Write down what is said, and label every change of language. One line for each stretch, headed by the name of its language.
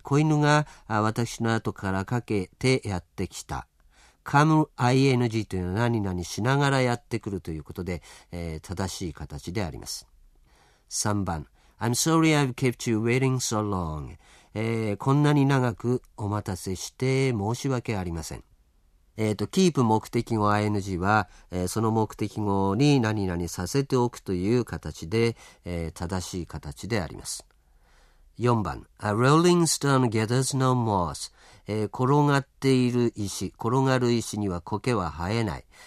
Japanese: 子犬が私の後からかけてやってきた。 come ing というのは何々しながらやってくるということで、正しい形であります。
English: 3番 I'm sorry I've kept you waiting so long.
Japanese: こんなに長くお待たせして申し訳ありません。 keep 目的語 ing は、その目的語に何々させておくという形で、正しい形であります。 4番
English: A rolling stone gathers no moss、
Japanese: 転がっている石、転がる石には苔は生えない。